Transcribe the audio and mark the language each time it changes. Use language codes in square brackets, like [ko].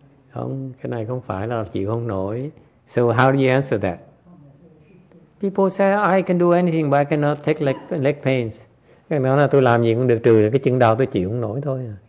[vi] Không, cái này không phải là chịu không nổi. [en] So how do you answer that? People say I can do anything but I cannot take leg pains. [vi] Cái đó là tôi làm gì cũng được trừ cái chân đau tôi chịu không nổi thôi.